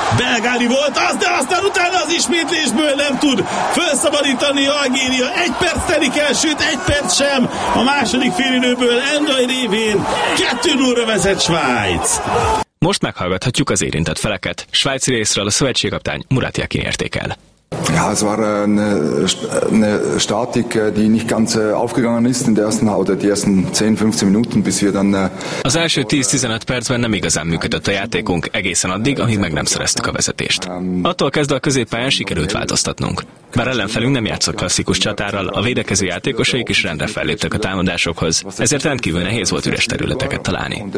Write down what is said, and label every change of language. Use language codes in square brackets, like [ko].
[hu] Belgáli volt az, de aztán utána az ismétlésből nem tud felszabadítani Algéria. 1 perc telik el, sőt 1 perc sem. A második félidőből Endai révén 2-0-ra vezet Svájc. Most meghallgathatjuk az érintett feleket. Svájc részről a szövetségkaptány Murat Yakin értékel. [de] Ja, es war eine Statik, die nicht ganz aufgegangen ist in der ersten oder die ersten 10-15 Minuten, bis wir dann. [hu] Az első 10-15 percben nem igazán működött a játékunk, egészen addig, amíg meg nem szereztük a vezetést. Attól kezdve a középpályán sikerült változtatnunk. Már ellenfelünk nem játszott klasszikus csatárral, a védekező játékosaik is rendre felléptek a támadásokhoz, ezért rendkívül nehéz volt üres területeket találni.